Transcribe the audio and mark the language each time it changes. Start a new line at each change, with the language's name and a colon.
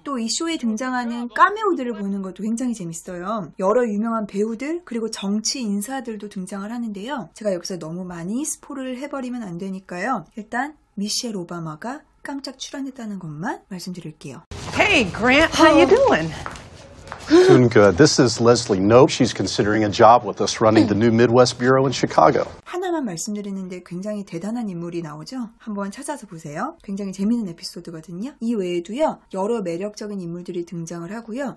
Korean: 또 이 쇼에 등장하는 카메오들을 보는 것도 굉장히 재밌어요. 여러 유명한 배우들 그리고 정치 인사들도 등장을 하는데요. 제가 여기서 너무 많이 스포를 해버리면 안 되니까요. 일단 미셸 오바마가 깜짝 출연했다는 것만 말씀드릴게요.
English: Hey, Grant, how you doing? Doing good. This is Leslie Knope. She's considering a job with us running the new Midwest Bureau in Chicago.
Korean: 하나만 말씀드리는데 굉장히 대단한 인물이 나오죠? 한번 찾아서 보세요. 굉장히 재미있는 에피소드거든요. 이 외에도요, 여러 매력적인 인물들이 등장을 하고요.